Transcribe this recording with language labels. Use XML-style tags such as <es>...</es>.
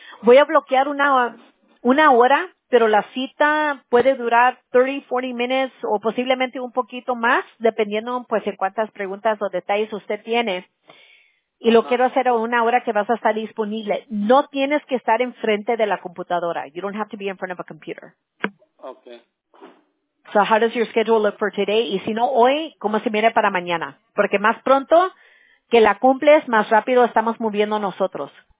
<es>Voy a bloquear una hora, pero la cita puede durar 30, 40 minutes o posiblemente un poquito más, dependiendo pues en cuántas preguntas o detalles usted tiene. Y lo quiero hacer a una hora que vas a estar disponible. No tienes que estar enfrente de la computadora.</es> <en>You don't have to be in front of a computer. Okay. So how does your schedule look for today?</en> <es>Y si no hoy, ¿cómo se mire para mañana? Porque más pronto que la cumples, más rápido estamos moviendo nosotros.</es>